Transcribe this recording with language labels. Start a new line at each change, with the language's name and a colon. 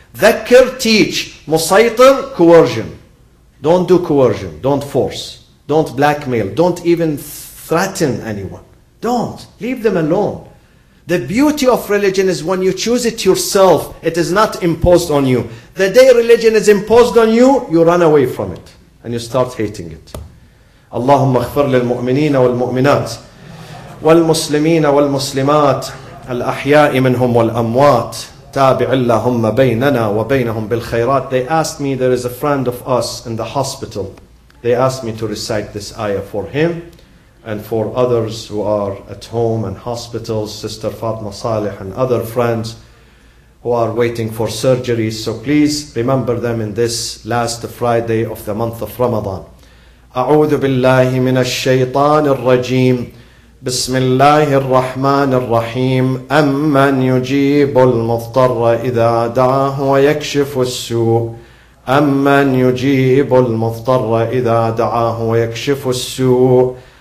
English: ذَكِّرْ, teach. مُسَيْطِرْ, coercion. Don't do coercion. Don't force. Don't blackmail. Don't even threaten anyone. Don't. Leave them alone. The beauty of religion is when you choose it yourself, it is not imposed on you. The day religion is imposed on you, you run away from it and you start hating it.
Arabic: اللهم اغفر للمؤمنين والمؤمنات والمسلمين والمسلمات الأحياء منهم والأموات تابع اللهم بيننا وبينهم بالخيرات.
English: They asked me, there is a friend of us in the hospital. They asked me to recite this ayah for him and for others who are at home and hospitals, Sister Fatma Saleh and other friends who are waiting for surgeries. So please remember them in this last Friday of the month of Ramadan.
Arabic: أعوذ بالله من الشيطان الرجيم بسم الله الرحمن الرحيم أمن يجيب المضطر إذا دعاه ويكشف السوء أمن يجيب المضطر إذا دعاه ويكشف السوء